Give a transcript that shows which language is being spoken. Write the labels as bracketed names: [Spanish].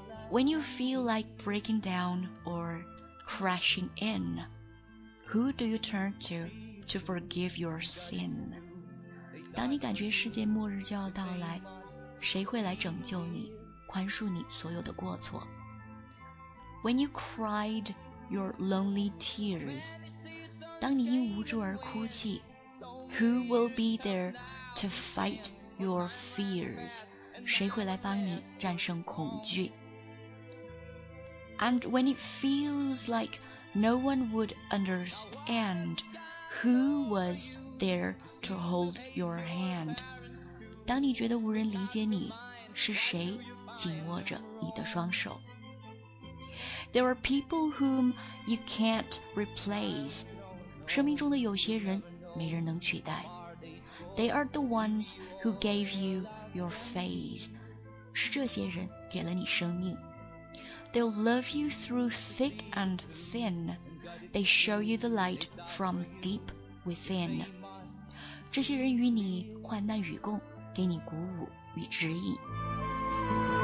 [English] When you feel like breaking down or crashing in, who do you turn to forgive your sin? [Chinese] 当你感觉世界末日就要到来，谁会来拯救你，宽恕你所有的过错？ [English] When you cried your lonely tears, [Chinese] 当你因无助而哭泣， [English] Who will be there to fight your fears? [Chinese] 谁会来帮你战胜恐惧？ [English] And when it feels like no one would understand, Who was there to hold your hand? [Chinese] 当你觉得无人理解你，是谁紧握着你的双手？ [English] There are people whom you can't replace. [Chinese] 生命中的有些人没人能取代。 [English] They are the ones who gave you your faith. [Chinese] 是这些人给了你生命。 [English] They'll love you through thick and thin. They show you the light from deep within. [Chinese] 这些人与你患难与共，给你鼓舞与指引。